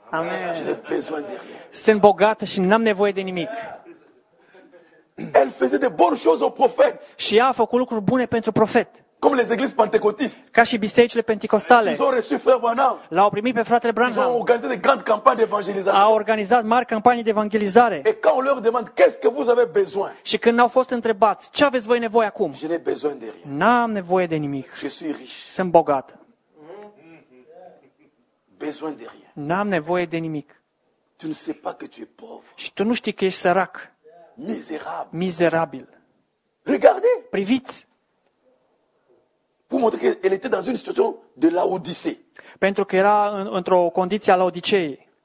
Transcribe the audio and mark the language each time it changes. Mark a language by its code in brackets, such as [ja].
[fr] Amen. Je n'ai besoin de rien. [ro] Sunt bogat și n-am nevoie de nimic. [fr] Elle faisait de bonnes choses au prophète. [ro] Și ea a făcut lucruri bune pentru profet. [fr] Comme les églises pentecôtistes. [ro] Ca și bisericile pentecostale. [fr] Ils ont reçu frère Branham. [ro] L-au primit pe fratele Branham. [fr] Ils ont organisé de grandes campagnes d'évangélisation. [ro] Au organizat mari campanii de evangelizare. [fr] Et quand on leur demande qu'est-ce que vous avez besoin? [ro] Și când au fost întrebați, ce aveți voi nevoie acum? [fr] Je n'ai besoin de rien. [ro] N-am nevoie de nimic. [fr] Je suis riche. [ro] Sunt bogat. [fr] Besoin de rien. [ro] N-am nevoie de nimic. [fr] Tu ne sais pas que tu es pauvre. [ro] Și tu nu știi că ești sărac. [fr] Misérable. [ro] Mizerabil. [fr] Regardez. [ro] Priviți. [fr] Pour montrer qu'elle était dans une situation de Laodicée. [ro] Pentru că era într-o condiție a Laodiceei.